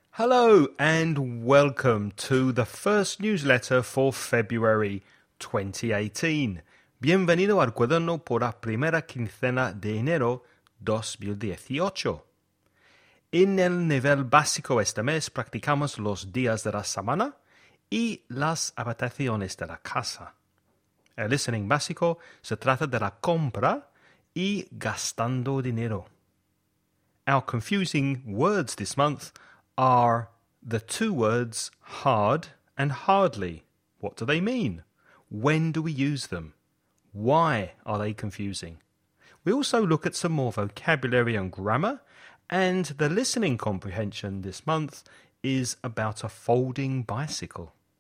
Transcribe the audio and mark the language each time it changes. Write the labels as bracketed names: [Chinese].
[English] Hello and welcome to the first newsletter for February 2018. [Spanish] Bienvenido al cuaderno por la primera quincena de enero 2018. En el nivel básico este mes practicamos los días de la semana y las habitaciones de la casa. El listening básico se trata de la compra y gastando dinero. [English] Our confusing words this month are the two words hard and hardly. What do they mean? When do we use them? Why are they confusing? We also look at some more vocabulary and grammar, and the listening comprehension this month is about a folding bicycle.